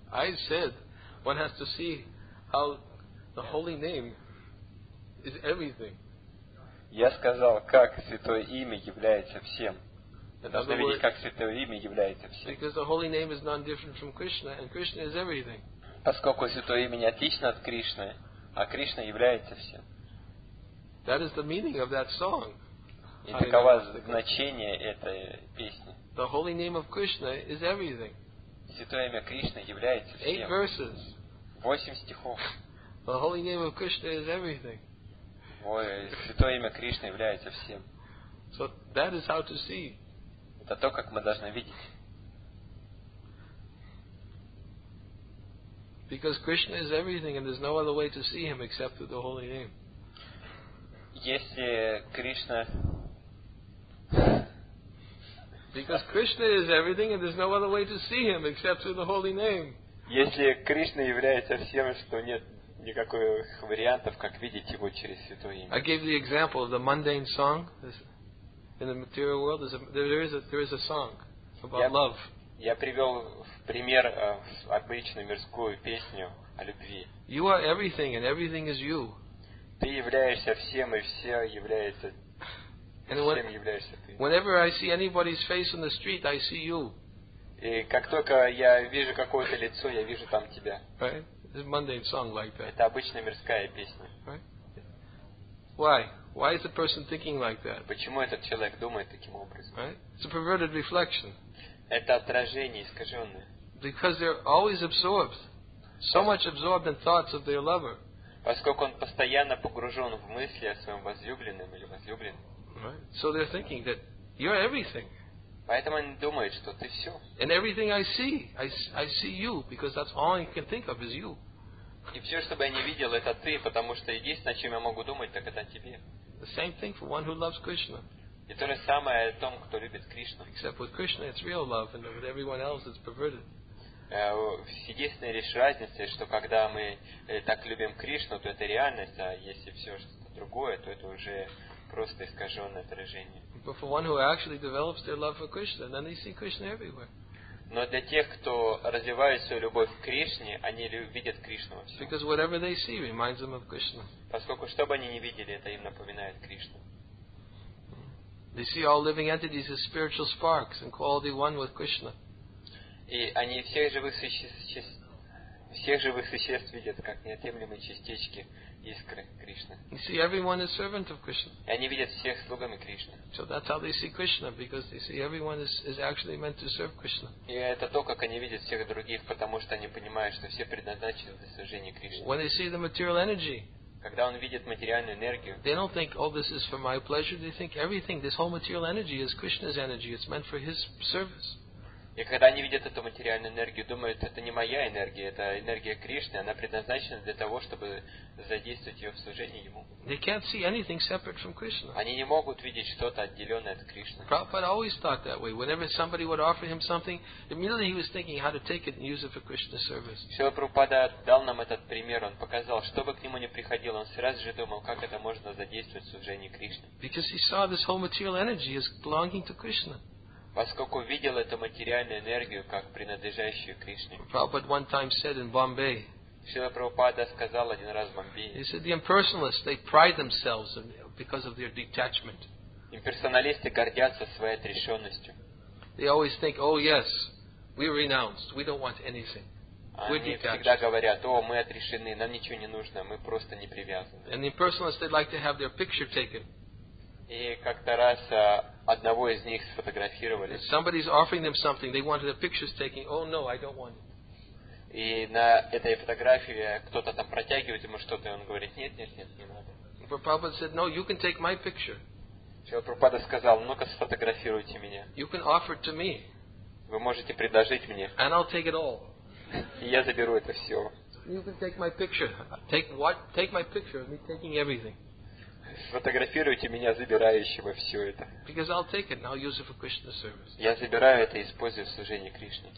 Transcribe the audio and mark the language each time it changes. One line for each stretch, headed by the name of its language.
English: I said, one has to see how the holy name is everything.
Russian: Я сказал, как святое имя является всем. Нужно видеть, как святое имя является всем.
English: Because the holy name is none different from Krishna, and Krishna is everything.
Russian: Поскольку святое имя не отлично от Кришны, а Кришна является всем.
English: That is the meaning of that song.
Russian: И таково значение этой песни.
English: The holy name of Krishna is everything.
Russian: Святое имя Кришны является всем.
English: 8 verses.
Russian: 8 стихов.
English: The holy name of Krishna is everything.
Russian: Святое имя Кришны является всем.
English: So that is how to see.
Russian: Это то, как мы должны видеть.
English: Because Krishna is everything and there's no other way to see him except through the holy name.
Russian: Если Кришна...
English: Because Krishna is everything and there's no other way to see him except through the holy name.
Russian: Если Кришна является всем, что нет никаких вариантов, как видеть его через святое имя.
English: I gave the example of the mundane song. In the material world there is a song about love.
Russian: Я привел в пример обычную мирскую песню о любви.
English: You are everything and everything is you.
Russian: Ты являешься всем, и все является
English: and
Russian: всем являешься ты.
English: Whenever I see anybody's face on the street, I see you.
Russian: И как только я вижу какое-то лицо, я вижу там тебя.
English: Right? It's a mundane song like that.
Russian: Это обычная мирская песня.
English: Right? Why? Why is a person thinking like that?
Russian: Почему этот человек думает таким образом?
English: Right? It's a perverted reflection.
Russian: Это отражение искаженное.
English: Because they're always absorbed, so much absorbed in thoughts of their lover.
Russian: Поскольку он постоянно погружен в мысли о своем возлюбленном или возлюбленной.
English: Right. So they're thinking that you're everything.
Russian: Поэтому они думают, что ты все.
English: And everything I see, I see you, because that's all I can think of is you.
Russian: И все, что бы я не видел, это ты, потому что единственное, о чем я могу думать, так это о тебе.
English: The same thing for one who loves Krishna.
Russian: И то же самое о том, кто любит Кришну.
English: Except with Krishna, it's real love, and with everyone else, it's perverted.
Russian: Единственная лишь разница, что когда мы так любим Кришну, то это реальность, а если все что-то другое, то это уже просто искаженное отражение.
English: But for one who actually develops their love for Krishna, then they see Krishna everywhere.
Russian: Но для тех, кто развивает свою любовь к Кришне, они видят Кришну во всем.
English: Because whatever they see reminds them of Krishna.
Russian: Поскольку что бы они ни видели, это им напоминает Кришну.
English: They see all living entities as spiritual sparks and quality one with Krishna.
Russian: И они всех живых существ видят как неотъемлемые частички искры Кришны.
English: They see everyone as servant of Krishna.
Russian: И они видят всех слугами Кришны.
English: So that's how they see Krishna, because they see everyone is actually meant to serve Krishna.
Russian: И это то, как они видят всех других, потому что они понимают, что все предназначены для служения Кришне.
English: When they see the material energy.
Russian: Когда он видит материальную энергию,
English: they don't think, oh, this is for my pleasure. They think everything, this whole material energy is Krishna's energy. It's meant for his service.
Russian: И когда они видят эту материальную энергию, думают, это не моя энергия, это энергия Кришны, она предназначена для того, чтобы задействовать ее в служении ему.
English: They can't see anything separate from Krishna.
Russian: Они не могут видеть что-то отделенное от Кришны.
English: Prabhupada always thought that way. Whenever somebody would offer him something, immediately he was thinking how to take it and use it for Krishna's service.
Russian: Шрила Прабхупада дал нам этот пример, он показал, что бы к нему ни приходило, он сразу же думал, как это можно задействовать в служении Кришны.
English: Because he saw this whole material energy as belonging to Krishna.
Russian: Поскольку видел эту материальную энергию как принадлежащую Кришне.
English: Prabhupada one time said in Bombay.
Russian: Шрила Прабхупада сказал один раз в Бомбее.
English: He said the impersonalists, they pride themselves because of their detachment.
Russian: Имперсоналисты гордятся своей отрешенностью.
English: They always think, oh yes, we renounced, we don't want anything.
Russian: Они всегда говорят, о, мы отрешены, нам ничего не нужно, мы просто не привязаны.
English: And the impersonalists, they'd like to have their picture taken.
Russian: И как-то раз одного из них сфотографировали.
English: If somebody's offering them something, they wanted the pictures taken. Oh no, I don't want it.
Russian: И на этой фотографии кто-то там протягивает ему что-то, и он говорит, нет, нет, нет, не надо.
English: Prabhupada said, no, you can take my picture.
Russian: Шрила Прабхупада сказал, ну-ка сфотографируйте меня.
English: You can offer it to me.
Russian: Вы можете предложить мне.
English: And I'll take it all.
Russian: И я заберу это все.
English: You can take my picture. Take what? Take my picture of me taking everything.
Russian: Сфотографируйте меня, забирающего все это.
English: Because I'll take it and I'll use it for Krishna's service.
Russian: Я забираю это и использую в служении Кришне.